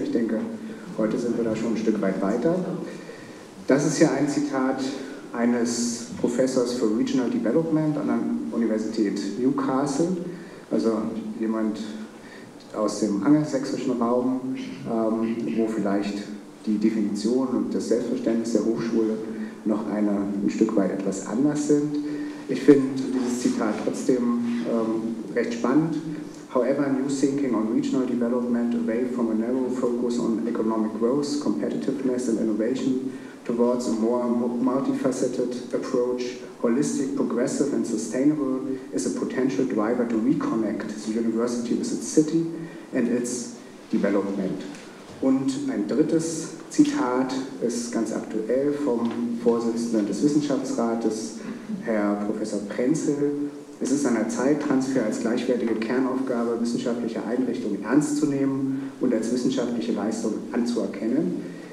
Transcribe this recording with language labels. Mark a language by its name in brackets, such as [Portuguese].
[German] Ich denke, heute sind wir da schon ein Stück weit weiter. Das ist ja ein Zitat eines Professors für Regional Development an der Universität Newcastle, also jemand aus dem angelsächsischen Raum, wo vielleicht die Definition und das Selbstverständnis der Hochschule noch ein Stück weit etwas anders sind. Ich finde dieses Zitat trotzdem recht spannend. [English] However, new thinking on regional development away from a narrow focus on economic growth, competitiveness and innovation towards a more multifaceted approach, holistic, progressive and sustainable, is a potential driver to reconnect the university with its city and its development. [German] Und ein drittes Zitat ist ganz aktuell vom Vorsitzenden des Wissenschaftsrates, Herr Professor Prenzel. Es ist an der Zeit, Transfer als gleichwertige Kernaufgabe wissenschaftlicher Einrichtungen ernst zu nehmen und als wissenschaftliche Leistung anzuerkennen.